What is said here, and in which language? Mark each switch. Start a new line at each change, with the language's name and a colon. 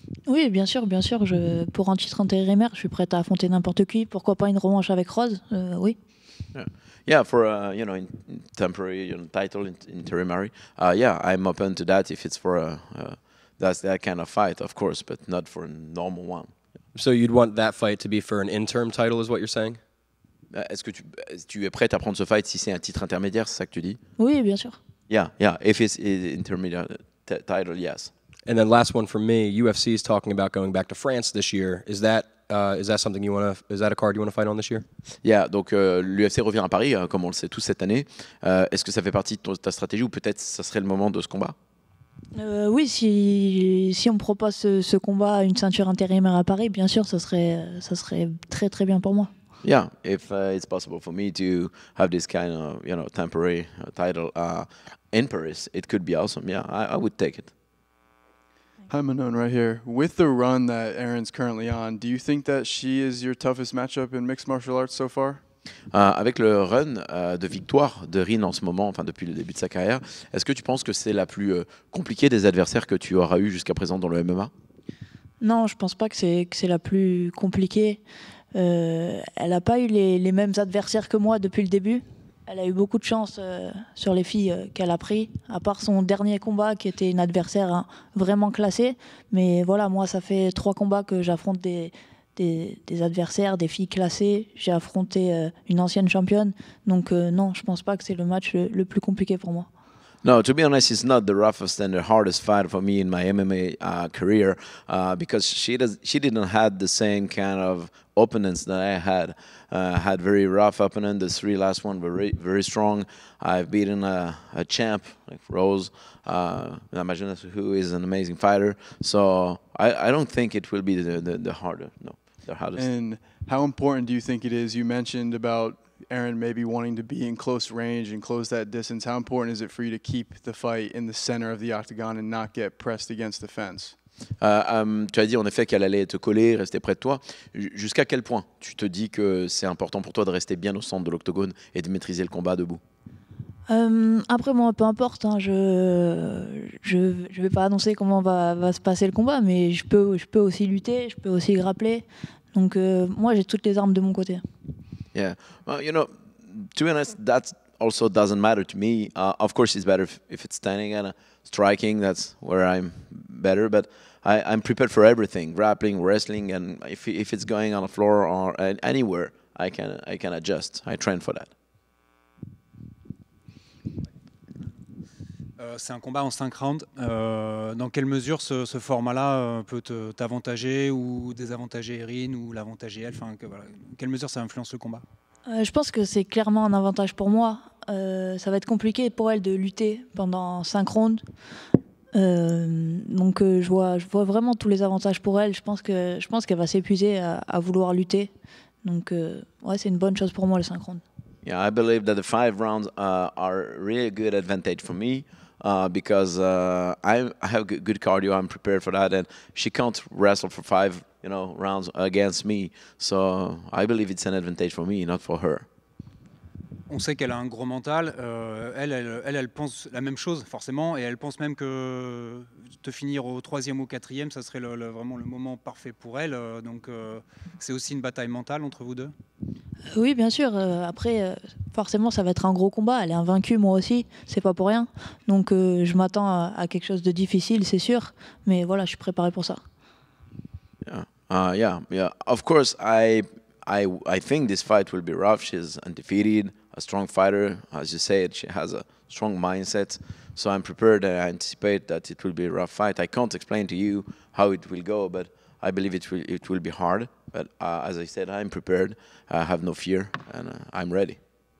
French: Oui, bien sûr, pour un titre intérimaire, je suis prête à affronter n'importe qui. Pourquoi pas une revanche avec Rose? Oui.
English: Yeah, for you know, temporary, you know, title intermediary. Yeah, I'm open to that if it's for that kind of fight, of course, but not for a normal one. So you'd want that fight to be for an interim title, is what you're saying?
French: Est-ce que tu es prête à prendre ce fight si c'est un titre intermédiaire, c'est ça que tu dis? Oui, bien sûr.
English: Yeah, if it's an intermediate title, yes. And then last one from me, UFC is talking about going back to France this year. Is that a card you want to fight on this year?
French: Yeah, donc l'UFC revient à Paris, comme on le sait tous cette année. Est-ce que ça fait partie de ta stratégie ou peut-être ça serait le moment de ce combat? Oui, si on propose ce combat à une ceinture intérimaire à Paris, bien sûr, ça serait très très bien pour moi.
English: Yeah, if it's possible for me to have this kind of, you know, temporary title in Paris, it could be awesome. Yeah, I would take it. Hi, Manon, right here. With the run that Erin's currently on, do you think that she is your toughest matchup in mixed martial arts so far?
French: Avec le run de victoire de Rin en ce moment, enfin depuis le début de sa carrière, est-ce que tu penses que c'est la plus compliquée des adversaires que tu auras eu jusqu'à présent dans le MMA? Non, je pense pas que c'est la plus compliquée. Elle a pas eu les mêmes adversaires que moi depuis le début. Elle a eu beaucoup de chance sur les filles qu'elle a pris, à part son dernier combat qui était une adversaire vraiment classée. Mais voilà, moi ça fait 3 combats que j'affronte des adversaires, des filles classées. J'ai affronté une ancienne championne. Donc non, je pense pas que c'est le match le plus compliqué pour moi.
English: No, to be honest, it's not the roughest and the hardest fight for me in my MMA career because she didn't have the same kind of opponents that I had. Had very rough opponents. The 3 last one were very, very strong. I've beaten a champ like Rose Namajunas, who is an amazing fighter. So I don't think it will be the harder. No, the hardest. And how important do you think it is? You mentioned about Erin maybe wanting to be in close range and close that distance. How important is it for you to keep the fight in the center of the octagon and not get pressed against the fence?
French: Tu as dit en effet qu'elle allait te coller, rester près de toi. Jusqu'à quel point tu te dis que c'est important pour toi de rester bien au centre de l'octogone et de maîtriser le combat debout? Après moi, peu importe, hein, je vais pas annoncer comment va se passer le combat, mais je peux aussi lutter, je peux aussi grappler. Donc moi, j'ai toutes les armes de mon côté.
English: Yeah, well, you know, to be honest, that also doesn't matter to me. Of course, it's better if it's standing and striking. That's where I'm better. But I'm prepared for everything: grappling, wrestling, and if it's going on the floor or anywhere, I can adjust. I train for that.
French: C'est un combat en 5 rounds. Dans quelle mesure ce format-là peut t'avantager ou désavantager Erin ou l'avantager elle, enfin, que, voilà. Quelle mesure ça influence le combat? Je pense que c'est clairement un avantage pour moi. Ça va être compliqué pour elle de lutter pendant 5 rounds. Donc je vois vraiment tous les avantages pour elle. Je pense qu'elle va s'épuiser à vouloir lutter. Donc ouais, c'est une bonne chose pour moi le 5 rounds.
English: Yeah, I believe that the 5 rounds are really good advantage for me. Because I have good cardio, I'm prepared for that, and she can't wrestle for 5, you know, rounds against me. So I believe it's an advantage for me, not for her.
French: On sait qu'elle a un gros mental. Elle pense la même chose forcément, et elle pense même que te finir au 3e ou 4e, ça serait vraiment le moment parfait pour elle. Donc c'est aussi une bataille mentale entre vous deux. Oui, bien sûr. Après, forcément, ça va être un gros combat. Elle est invaincue, moi aussi. C'est pas pour rien. Donc je m'attends à quelque chose de difficile, c'est sûr. Mais voilà, je suis préparé pour ça.
English: Yeah. Of course, I think this fight will be rough. She's undefeated, a strong fighter, as you said. She has a strong mindset, so I'm prepared and I anticipate that it will be a rough fight. I can't explain to you how it will go, but I believe it will be hard. But as I said, I'm prepared. I have no fear, and I'm ready.